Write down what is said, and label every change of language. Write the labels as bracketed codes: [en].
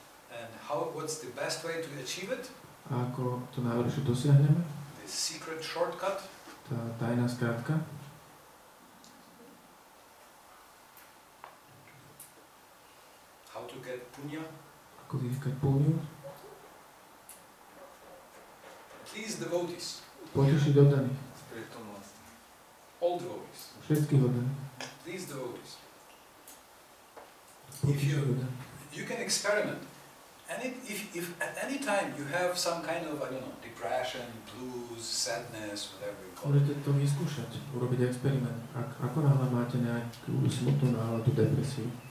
[en] And how, what's the best way to achieve it? [sk] A ako to najlepšie dosiahneme? [en] The secret shortcut. [sk] Tá tajná skratka. [en] How to get punya? [sk] Ako získať punyu? [en] Please devotees. [sk] Potešiť oddaných. Spiritualnosť. [en] All devotees. [sk] Všetky oddaní. [en] Please devotees. [sk] Potešiť oddaní. [en] You can experiment. And if at any time you have some kind of, I don't know, depression, blues, sadness, whatever you call it. [sk] Môžete to vyskúšať, urobiť experiment. Ako náhle máte nejakú smutnú náladu, depresiu?